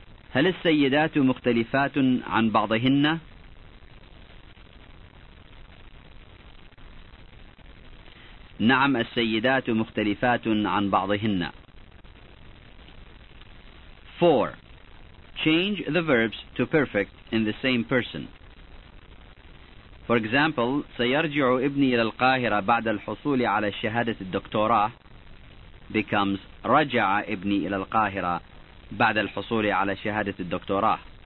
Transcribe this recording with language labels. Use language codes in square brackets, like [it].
[ar] هل السيدات مختلفات عن بعضهن؟ نعم، السيدات مختلفات عن بعضهن. 4. [en] change the verbs to perfect in the same person. For example, [ar] سيرجع ابني إلى القاهرة بعد الحصول على شهادة الدكتوراه [en] becomes [ar] رجع ابني إلى القاهرة بعد الحصول على شهادة الدكتوراه.